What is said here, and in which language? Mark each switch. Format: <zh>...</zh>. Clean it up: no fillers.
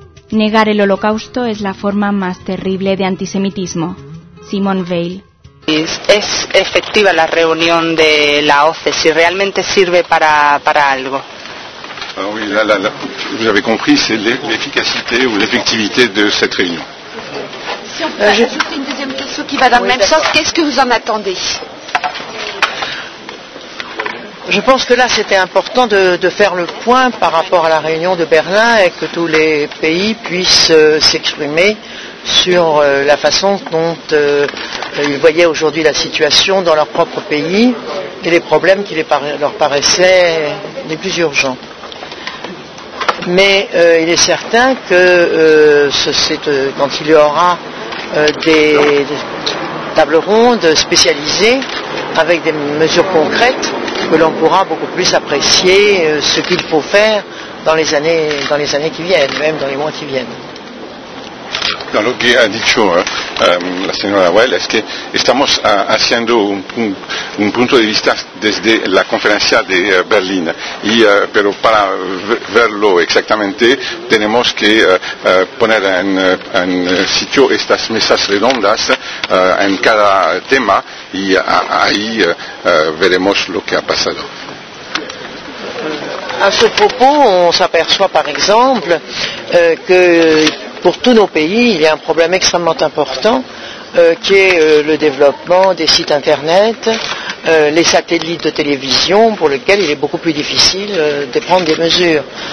<es>Negar el Holocausto es la forma más terrible de antisemitismo. Simone Veil. ¿Es efectiva la reunión de la OSCE? ¿Si realmente sirve para algo?</es> <fr>Ah, oui, là, vous avez compris, c'est l'efficacité ou l'effectivité de cette réunion. Si on peut ajouter une deuxième question qui va dans le même sens, qu'est-ce que vous en attendez? Je pense que là, c'était important de faire le point par rapport à la réunion de Berlin et que tous les pays puissent s'exprimer sur la façon dont ils voyaient aujourd'hui la situation dans leur propre pays et les problèmes qui leur paraissaient les plus urgents. Mais il est certain que quand il y aura des tables rondes spécialisées avec des mesures concrètes, que l'on pourra beaucoup plus apprécier ce qu'il faut faire dans les années qui viennent, même dans les mois qui viennent.</fr> <es>Dans lo que ha dicho la señora Weil, es que estamos haciendo un punto de vista desde la conferencia de Berlín, pero para verlo exactamente tenemos que poner en sitio estas mesas redondas en cada tema y ahí veremos lo que ha pasado.</es> <fr>À ce propos, on s'aperçoit par exemple que pour tous nos pays, il y a un problème extrêmement important qui est le développement des sites internet, les satellites de télévision pour lesquels il est beaucoup plus difficile de prendre des mesures.</fr>